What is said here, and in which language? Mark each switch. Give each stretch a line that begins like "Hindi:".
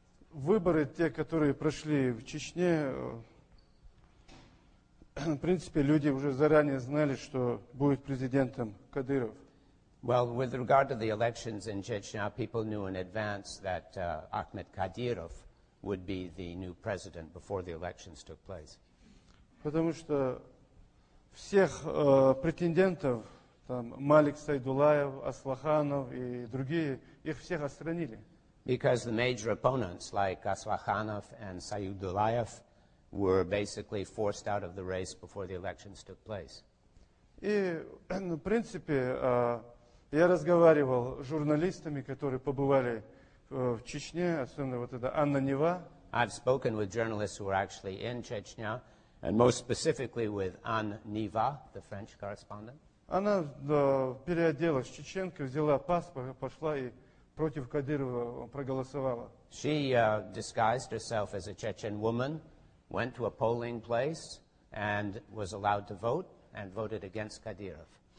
Russian: Выборы, те, которые прошли в Чечне, в принципе, люди уже заранее знали, что будет президентом Кадыров.
English: Well, with regard to the elections in Chechnya, people knew in advance that Ahmed Kadyrov would be the new president before the elections took place.
Russian: Потому что всех претендентов, там Малик Сайдулаев, Аслаханов и другие, их всех отстранили.
English: Because the major opponents like Aslakhanov and Sayyidulayev were basically forced out of the race before the elections took place.
Russian: И, в принципе, я разговаривал с журналистами, которые побывали в Чечне, особенно вот эта Анна Нева.
English: I've spoken with journalists who were actually in Chechnya, and most specifically with Anne Neva, the French correspondent.
Russian: Она переоделась в чеченку, взяла паспорт, пошла и против Кадырова проголосовала.
English: She disguised herself as a Chechen woman, went to a polling place, and was allowed to vote, and voted against Kadyrov.